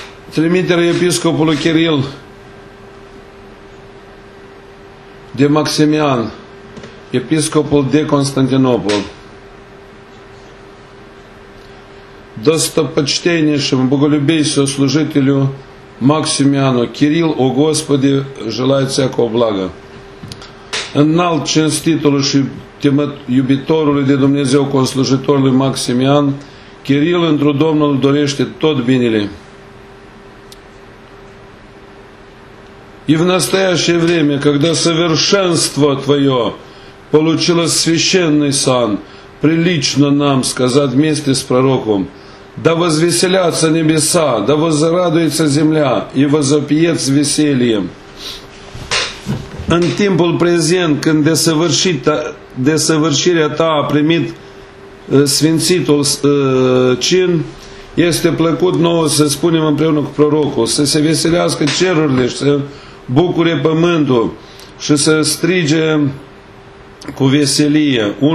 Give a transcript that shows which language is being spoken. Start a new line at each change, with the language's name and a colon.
Romanian: trimiterea episcopului Chiril de Maximian, episcopul de Constantinopol,
Russian: достопочтеннейшим, боголюбейшим служителю Максимиану Кирилл, о Господи, желаю всякого блага.
Romanian: Înalt cinstitului și iubitorului de Dumnezeu, conslujitorului Maximian, Chiril întru Domnul dorește tot binele.
Russian: И в настоящее время, когда совершенство Твое получило священный сан, прилично нам сказать вместе с пророком, да возвеселятся небеса, да возрадуется земля и возопьет с весельем.
Romanian: În timpul prezent, când desăvârșirea ta a primit sfințitul cin, este plăcut nouă să spunem împreună cu prorocul, să se veselească cerurile și să bucure pământul și să strige cu veselie.